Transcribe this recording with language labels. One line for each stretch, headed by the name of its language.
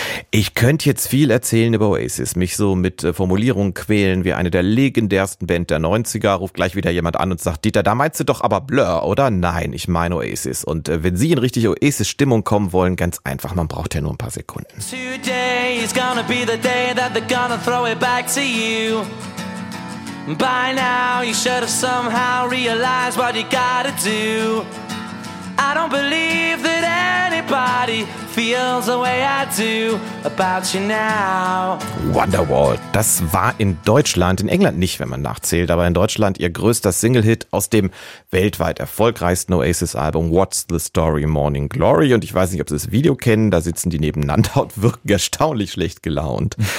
German: Ich könnte jetzt viel erzählen über Oasis, mich so mit Formulierungen quälen wie eine der legendärsten Band der 90er, ruft gleich wieder jemand an und sagt, Dieter, da meinst du doch aber Blur, oder? Nein, ich meine Oasis. Und wenn Sie in richtig Oasis-Stimmung kommen wollen, ganz einfach, man braucht ja nur ein paar Sekunden.
English: Today is gonna be the day that they're gonna throw it back to you. By now you should have somehow realized what you gotta do. I don't believe that anybody feels the way I do about you now.
German: Wonderwall, das war in Deutschland, in England nicht, wenn man nachzählt, aber in Deutschland ihr größter Single-Hit aus dem weltweit erfolgreichsten Oasis-Album What's the Story, Morning Glory. Und ich weiß nicht, ob Sie das Video kennen, da sitzen die nebeneinander und wirken erstaunlich schlecht gelaunt.